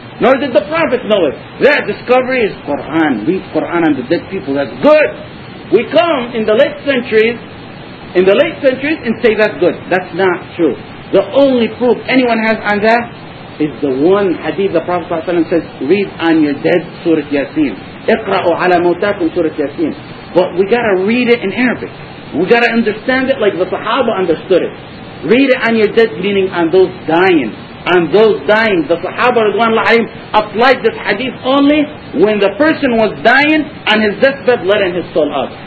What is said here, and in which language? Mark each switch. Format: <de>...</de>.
<en>Nor did the Prophet know it. That discovery is Quran. Read Quran on the dead people. That's good. We come in the late centuries and say that's good. That's not true. The only proof anyone has on that is the one hadith the Prophet ﷺ says, read on your dead Surah Yasin.</en> <ar>اقرأوا على موتاكم Surah Yasin.</ar> <en>But we gotta read it in Arabic. We gotta understand it like the Sahaba understood it. Read it on your dead, meaning on those dying. On those dying. The Sahaba applied this hadith only when the person was dying on his deathbed, letting his soul out.</en>